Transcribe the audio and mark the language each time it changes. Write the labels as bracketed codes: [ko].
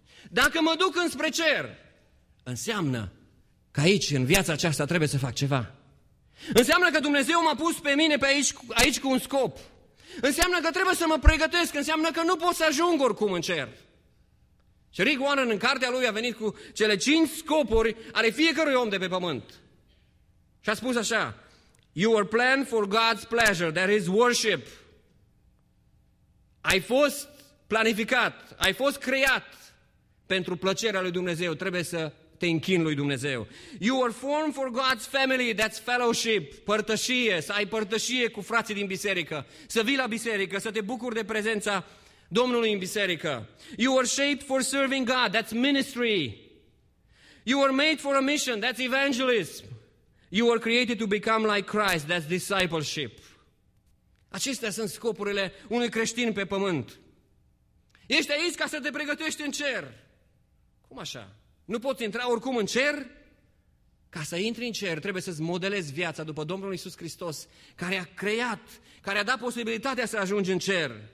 [ro] Dacă mă duc înspre cer, înseamnă că aici, în viața aceasta, trebuie să fac ceva. Înseamnă că Dumnezeu m-a pus pe mine pe aici, aici cu un scop. Înseamnă că trebuie să mă pregătesc, înseamnă că nu pot să ajung oricum în cer. Și Rick Warren, în cartea lui, a venit cu cele 5 scopuri ale fiecărui om de pe pământ. Și a spus așa: [en] You are planned for God's pleasure, that is worship. [ro] Ai fost planificat, ai fost creat pentru plăcerea lui Dumnezeu, trebuie să te închini lui Dumnezeu. [en] You are formed for God's family, that's fellowship, [ro] părtășie, să ai părtășie cu frații din biserică, să vii la biserică, să te bucuri de prezența Domnului în biserică. [en] You are shaped for serving God, that's ministry. You are made for a mission, that's evangelism. You are created to become like Christ, that's discipleship. [ro] Acestea sunt scopurile unui creștin pe pământ. Ești aici ca să te pregătești în cer. Cum așa? Nu poți intra oricum în cer? Ca să intri în cer, trebuie să-ți modelezi viața după Domnul Iisus Hristos, care a creat, care a dat posibilitatea să ajungi în cer.